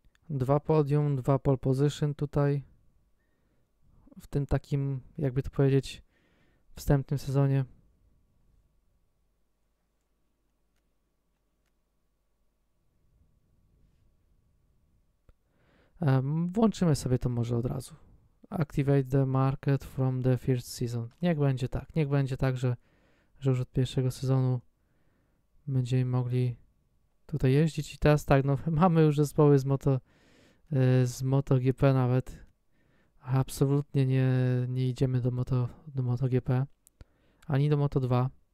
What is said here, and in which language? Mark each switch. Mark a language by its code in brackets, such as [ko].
[pl] Dwa podium, dwa pole position tutaj w tym takim, jakby to powiedzieć, wstępnym sezonie. Włączymy sobie to może od razu. [en] Activate the market from the first season. [pl] Niech będzie tak, niech będzie tak, że już od pierwszego sezonu będziemy mogli tutaj jeździć. I teraz tak, no mamy już zespoły z MotoGP nawet. Absolutnie nie idziemy do MotoGP. Ani do Moto2.